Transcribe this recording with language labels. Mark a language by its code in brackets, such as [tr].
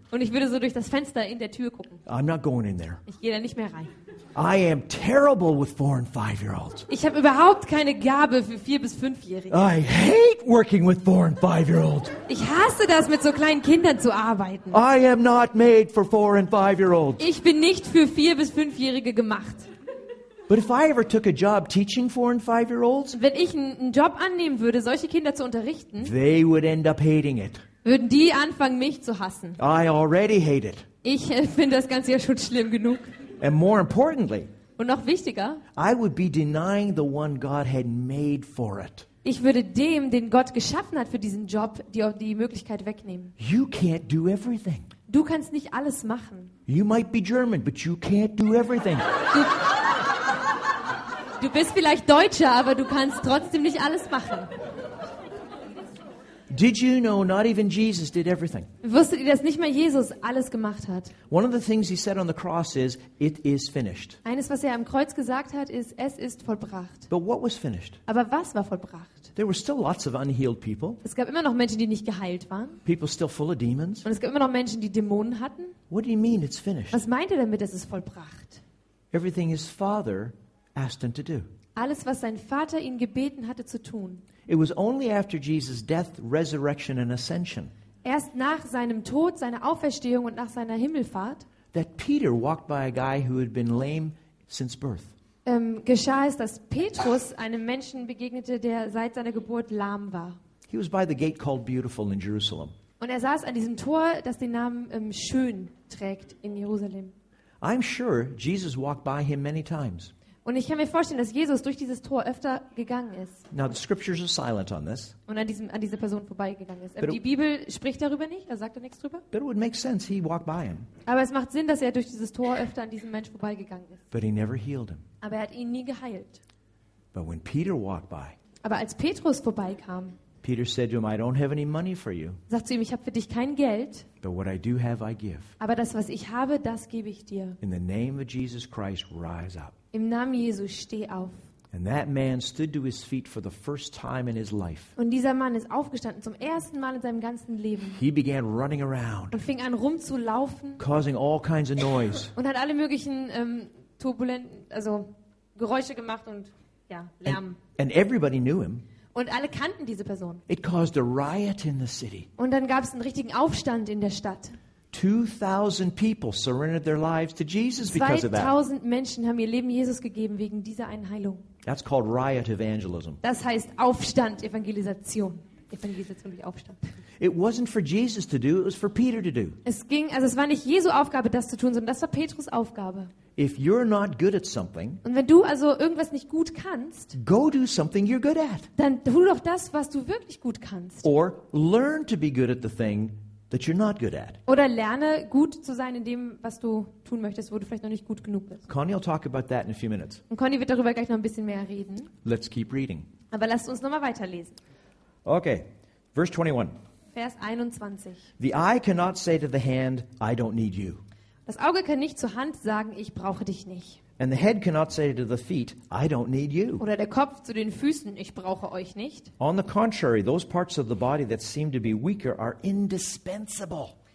[de] Und ich würde so durch das Fenster in der Tür gucken. [en] I'm not going in there. [de] Ich gehe da nicht mehr rein. [en] I am terrible with 4- and 5-year-olds. [de] Ich habe überhaupt keine Gabe für 4- bis 5-Jährige. [en] I hate working with 4- and 5-year-olds. [de] Ich hasse das, mit so kleinen Kindern zu arbeiten. [en] I am not made for 4- and 5-year-olds. [de] Ich bin nicht für 4- bis 5-Jährige gemacht. [en] But if I ever took a job teaching 4- and 5-year-olds, [de] wenn ich einen Job annehmen würde, solche Kinder zu unterrichten, [en] they would end up hating it. [de] Würden die anfangen, mich zu hassen? [en] I already hate it. [de] Ich finde das Ganze ja schon schlimm genug. [en] And more importantly, [de] und noch wichtiger, [en] I would be denying the one God had made for it. [de] Ich würde dem, den Gott geschaffen hat für diesen Job, die Möglichkeit wegnehmen. [en] You can't do everything. [de] Du kannst nicht alles machen. [en] You might be German, but you can't do everything. [de] Du bist vielleicht Deutscher, aber du kannst trotzdem nicht alles machen. [en] Did you know not even Jesus did everything? [de] Wusstet ihr, dass nicht mal Jesus alles gemacht hat? [en] One of the things he said on the cross is, it is finished. [de] Eines, was er am Kreuz gesagt hat, ist, es ist vollbracht. [en] But what was finished? [de] Aber was war vollbracht? [en] There were still lots of unhealed people. [de] Es gab immer noch Menschen, die nicht geheilt waren. [en] People still full of demons. [de] Und es gab immer noch Menschen, die Dämonen hatten. [en] What do you mean it's finished? [de] Was meint er damit, dass es vollbracht? [en] Everything his father asked him to do. [de] Alles, was sein Vater ihn gebeten hatte zu tun. [en] It was only after Jesus' death, resurrection and ascension. [de] Erst nach seinem Tod, seiner Auferstehung und nach seiner Himmelfahrt. [en] That Peter walked by a guy who had been lame since birth. [de] Geschah es, dass Petrus einem Menschen begegnete, der seit seiner Geburt lahm war. [en] He was by the gate called Beautiful in Jerusalem. [de] Und er saß an diesem Tor, das den Namen Schön trägt in Jerusalem. [en] I'm sure Jesus walked by him many times. [de] Und ich kann mir vorstellen, dass Jesus durch dieses Tor öfter gegangen ist. [en] Now the scriptures are silent on this. [de] Und an dieser Person vorbeigegangen ist. Die Bibel spricht darüber nicht, da sagt er nichts drüber. [en] But it would make sense, he walked by him. [de] Aber es macht Sinn, dass er durch dieses Tor öfter an diesem Mensch vorbeigegangen ist. [en] But he never healed him. [de] Aber er hat ihn nie geheilt. [en] But when Peter walked by, [de] aber als Petrus vorbeikam, [en] Peter said to him, I don't have any money for you. [de] Sagt zu ihm, ich habe für dich kein Geld. [en] But what I do have, I give. [de] Aber das, was ich habe, das gebe ich dir. [en] In the name of Jesus Christ, rise up. [de] Im Namen Jesu, steh auf. [en] And that man stood to his feet for the first time in his life. [de] Und dieser Mann ist aufgestanden zum ersten Mal in seinem ganzen Leben. [en] He began running around. [de] Und fing an rumzulaufen. [en] Causing all kinds of noise. [de] Und hat alle möglichen turbulenten, also Geräusche gemacht und ja, Lärm. [en] And everybody knew him. [de] Und alle kannten diese Person. [en] It caused a riot in the city. [de] Und dann gab es einen richtigen Aufstand in der Stadt. [en] 2,000 people surrendered their lives to Jesus because of that. [de] 2,000 Menschen haben ihr Leben Jesus gegeben wegen dieser einen Heilung. [en] That's called riot evangelism. [de] Das heißt Aufstand, Evangelisation. Evangelisation durch Aufstand. [en] It wasn't for Jesus to do, it was for Peter to do. [de] Es war nicht Jesu Aufgabe, das zu tun, sondern das war Petrus Aufgabe. [en] If you're not good at something, [de] und wenn du also irgendwas nicht gut kannst, [en] go do something you're good at. [de] Dann tu doch das, was du wirklich gut kannst. [en] Or learn to be good at the thing that you're not good at. [de] Oder lerne gut zu sein in dem, was du tun möchtest, wo du vielleicht noch nicht gut genug bist. [en] Connie will talk about that in a few minutes. [de] Und Connie wird darüber gleich noch ein bisschen mehr reden. [en] Let's keep reading. [de] Aber lasst uns nochmal weiterlesen. [en] Okay, verse 21. [de] Vers 21. [en] The eye cannot say to the hand, I don't need you. [de] Das Auge kann nicht zur Hand sagen, ich brauche dich nicht. [en] And the head cannot say to the feet, I don't need you. [de] Oder der Kopf zu den Füßen, ich brauche euch nicht. [en] On the contrary, those parts of the body that seem to be weaker are indispensable.